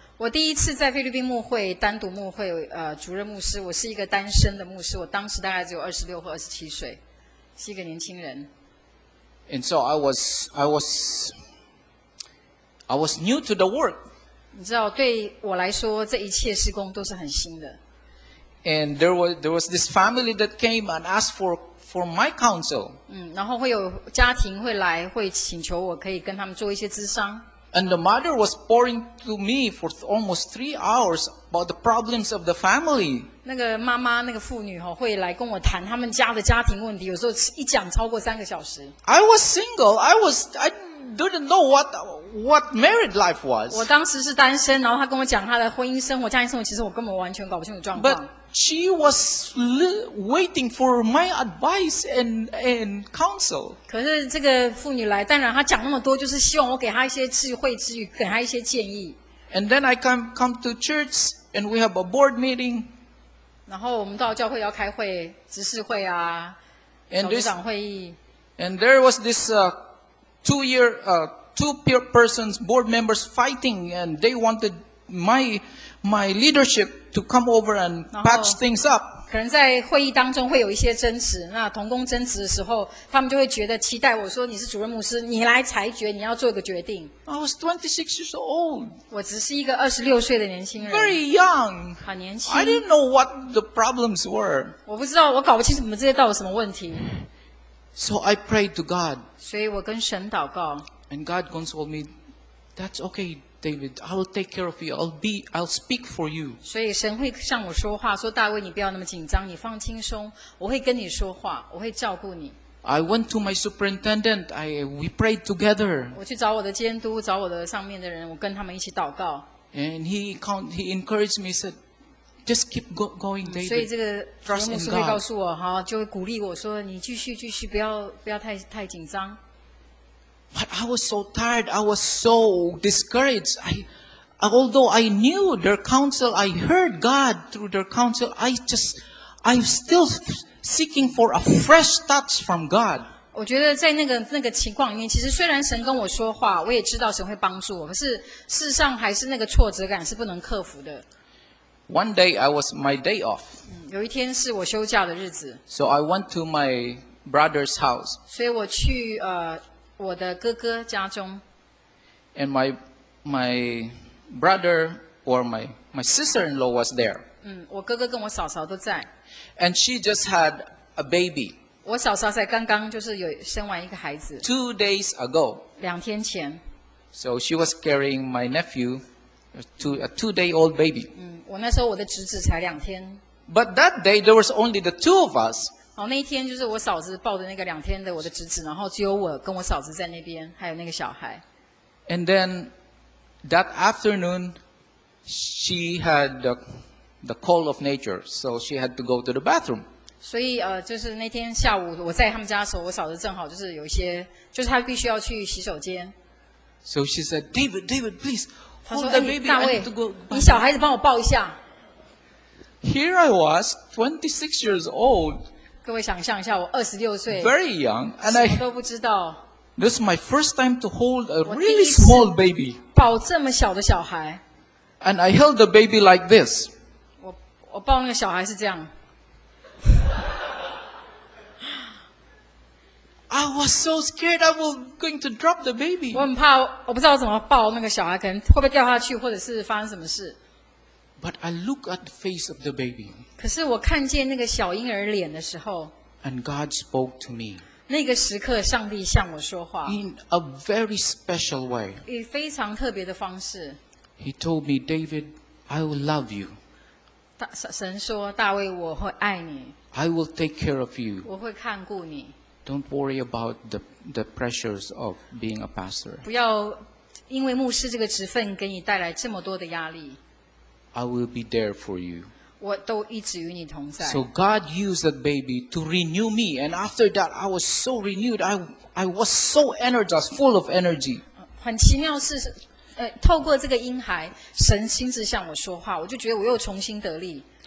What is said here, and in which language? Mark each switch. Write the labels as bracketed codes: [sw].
[zh] 我第一次在菲律宾牧会单独牧会主任牧师，我是一个单身的牧师，我当时大概只有26或27岁，是一个年轻人。 [en] And so I was new to the work. [zh] 你知道，对我来说，这一切事工都是很新的。 [en] And there was this family that came and asked for my counsel. [zh] 然后会有家庭会来，会请求我可以跟他们做一些咨商。 [en] And the mother was pouring to me for almost 3 hours about the problems of the family. [zh] 那个妈妈，那个妇女会来跟我谈他们家的家庭问题，有时候一讲超过三个小时。 [en] I was single. I didn't know what married life was. [zh] 我当时是单身，然后她跟我讲她的婚姻生活、家庭生活，其实我根本完全搞不清楚状况。 [en] She was waiting for my advice and counsel. [zh] 可是这个妇女来，当然她讲那么多，就是希望我给她一些智慧之语，给她一些建议。 [en] And then I come to church and we have a board meeting. [zh] 然后我们到教会要开会，执事会啊，小组长会议。 [en] And there was this two persons board members fighting, and they wanted my leadership. To come over and patch things up. [zh] 可能在会议当中会有一些争执，那同工争执的时候，他们就会觉得期待我说你是主任牧师，你来裁决，你要做一个决定。 [en] I was 26 years old. [zh] 我只是一个26岁的年轻人。 [en] Very young. [zh] 很年轻。 [en] I didn't know what the problems were. [zh] 我不知道，我搞不清楚我们这些到底什么问题。 [en] So I prayed to God. [zh] 所以我跟神祷告。 [en] And God consoled me. That's okay. David, I will take care of you. I'll speak for you. [zh] 所以神会向我说话，说大卫，你不要那么紧张，你放轻松，我会跟你说话，我会照顾你。 [en] I went to my superintendent. We prayed together. [zh] 我去找我的监督，找我的上面的人，我跟他们一起祷告。 [en] And he encouraged me, said, just keep going, David. [zh] 所以这个主任牧师会告诉我，哈，就会鼓励我说，你继续，不要太紧张。 [en] But I was so tired. I was so discouraged. Although I knew their counsel, I heard God through their counsel. I'm still seeking for a fresh touch from God. [zh] 我觉得在那个情况里面，其实虽然神跟我说话，我也知道神会帮助我，可是事实上还是那个挫折感是不能克服的。 [en] One day I was my day off. [zh] 有一天是我休假的日子。 [en] So I went to my brother's house. [zh] 所以我去我的哥哥家中。 [en] And my brother or my sister-in-law was there. [zh] 我哥哥跟我嫂嫂都在。 [en] And she just had a baby. [zh] 我嫂嫂才刚刚就是有生完一个孩子。 [en] Two days ago. [zh] 两天前。 [en] So she was carrying my nephew, a two-day-old baby. [zh] 我那时候我的侄子才两天。 [en] But that day there was only the two of us. [zh] 那一天就是我嫂子抱着那个两天的我的侄子，然后只有我跟我嫂子在那边，还有那个小孩。 [en] And then that afternoon, she had the call of nature, so she had to go to the bathroom. [zh] 所以就是那天下午我在他们家的时候，我嫂子正好就是有一些，就是她必须要去洗手间。 [en] So she said, David, please, hold the baby. [zh] 她说：“ 大卫，你小孩子帮我抱一下。” [en] Here I was, 26 years old. [zh] 各位想象一下，我二十六岁 [en] ，very young， [zh] 什么都不知道。 [en] This is my first time to hold a really small baby。 [zh] 抱这么小的小孩。 [en] And I held the baby like this。 [zh] 我抱那个小孩是这样。 [en] I was so scared I was going to drop the baby. [zh] 我很怕，我不知道怎么抱那个小孩，可能会不会掉下去，或者是发生什么事。 [en] But I look at the face of the baby. [zh] 可是我看见那个小婴儿脸的时候。 [en] And God spoke to me. [zh] 那个时刻，上帝向我说话。 [en] In a very special way. [zh] 以非常特别的方式。 [en] He told me, David, I will love you. [zh] 神说，大卫，我会爱你。 [en] I will take care of you. [zh] 我会看顾你。 [en] Don't worry about the pressures of being a pastor. [zh] 不要因为牧师这个职分给你带来这么多的压力。 [en] I will be there for you. [zh] 我都一直与你同在。 [en] So God used that baby to renew me, and after that, I was so renewed. I was so energized, full of energy. [zh] 很奇妙是，透过这个婴孩，神亲自向我说话，我就觉得我又重新得力。